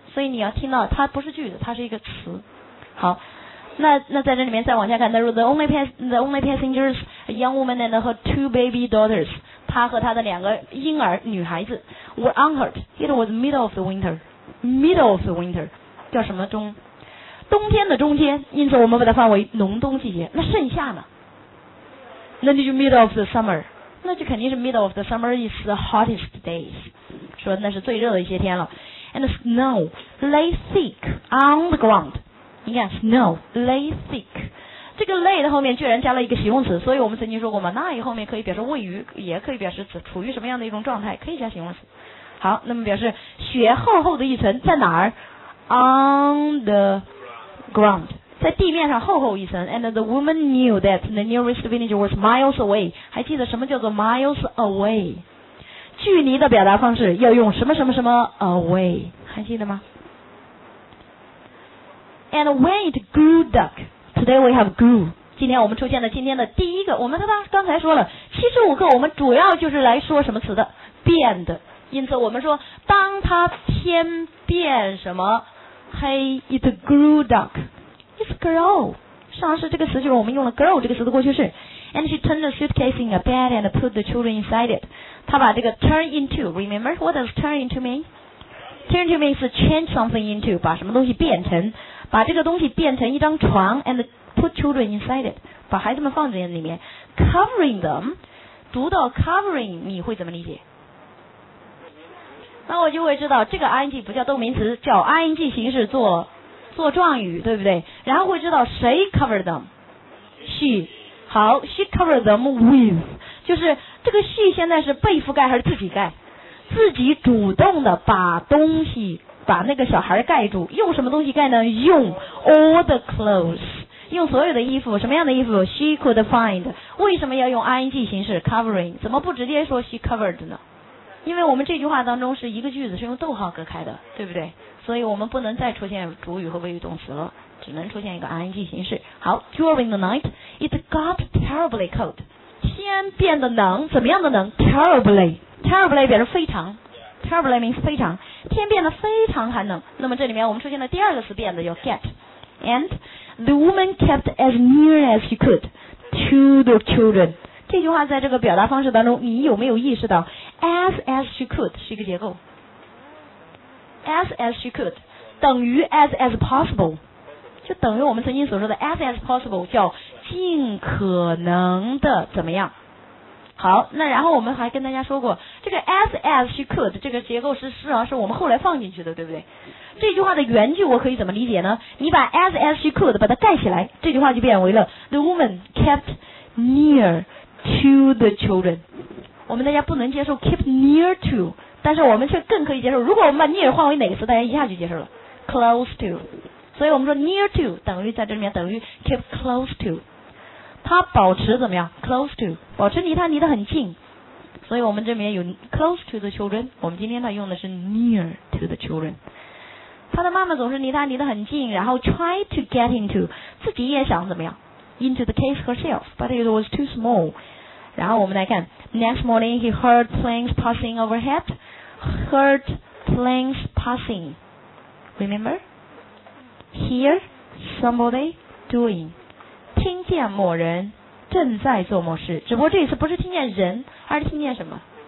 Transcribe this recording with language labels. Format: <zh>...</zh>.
<zh>所以你要听到它不是句子，它是一个词。好，那在这里面再往下看，那</zh> <en>the only passengers a young woman and her two baby daughters，</en> <zh>她和她的两个婴儿女孩子</zh> <en>were unhurt， it was middle of the winter</en> <zh>叫什么中，冬天的中间，因此我们把它范围浓冬季节。那盛夏呢？那就</zh> <en>middle of the summer，</en> <zh>那就肯定是</zh> <en>middle of the summer is the hottest days，</en> <zh>说那是最热的一些天了。</zh> <en>And snow lay thick on the ground，</en> <zh>你看</zh> <en>snow lay thick，</en> <zh>这个 lay 的后面居然加了一个形容词，所以我们曾经说过嘛，那以后面可以表示位于，也可以表示处于什么样的一种状态，可以加形容词。好，那么表示雪厚厚的一层在哪儿？</zh> <en>on theground，</en> <zh>在地面上厚厚一层。</zh> <en>And the woman knew that the nearest village was miles away，</en> <zh>还记得什么叫做</zh> <en>miles away？</en> <zh>距离的表达方式要用什么什么什么 away， 还记得吗？</zh> <en>And when it grew dark， today we have grew，</en> <zh>今天我们出现了今天的第一个，我们刚才说了75课我们主要就是来说什么词的，变的。因此我们说当它天变什么</zh> <en>Hey, it grew dark. It's grow.</en> <zh>上次这个词就是我们用了 grow 这个词的过去式。</zh> <en>And she turned the suitcase in a bed and put the children inside it.</en> <zh>她把这个</zh> <en>turn into, remember? What does turn into mean? Turn into means change something into,</en> <zh>把什么东西变成，把这个东西变成一张床</zh> <en>and put children inside it,</en> <zh>把孩子们放在里面。 Covering them, 读到 covering, 你会怎么理解？那我就会知道这个 ing 不叫动名词，叫 ing 形式做状语，对不对？然后会知道谁 covered them， she， 好，</zh> <en>she covered them with，</en> <zh>就是这个 she 现在是被覆盖还是自己盖？自己主动的把东西把那个小孩盖住，用什么东西盖呢？用</zh> <en>all the clothes，</en> <zh>用所有的衣服，什么样的衣服？</zh> <en>She could find。</en> <zh>为什么要用 ing 形式 covering？怎么不直接说 she covered 呢？因为我们这句话当中是一个句子，是用逗号隔开的，对不对？所以我们不能再出现主语和谓语动词了，只能出现一个 ing 形式。好，</zh> <en>during the night it got terribly cold，</en> <zh>天变得冷，怎么样的冷？ terribly， terribly 表示非常，</zh> <en>terribly means</en> <zh>非常，天变得非常寒冷。那么这里面我们出现了第二个词变得，叫 get。</zh> <en>And the woman kept as near as she could to the children，</en> <zh>这句话在这个表达方式当中，你有没有意识到 as she could 是一个结构， as she could 等于 as possible， 就等于我们曾经所说的 as possible 叫尽可能的怎么样。好，那然后我们还跟大家说过，这个 as she could 这个结构是实际上是我们后来放进去的，对不对？这句话的原句我可以怎么理解呢？你把 as she could 把它盖起来，这句话就变为了</zh> <en>the woman kept near to the children。</en> <zh>我们大家不能接受 keep near to， 但是我们却更可以接受，如果我们把 near 换为哪个词，大家一下就接受了， close to。所以我们说 near to 等于在这里面等于 keep close to，他保持怎么样 close to， 保持离他离得很近。所以我们这边有</zh> <en>close to the children，</en> <zh>我们今天他用的是</zh> <en>near to the children。</en> <zh>他的妈妈总是离他离得很近，然后 try to get into， 自己也想怎么样</zh> <en>into the case herself， but it was too small。</en> <zh>然后我们来看</zh> <en>next morning he heard planes passing overhead， heard planes passing， remember hear somebody doing，</en> <zh>听见某人正在做某事，只不过这一次不是听见人，而是听见什么？</zh>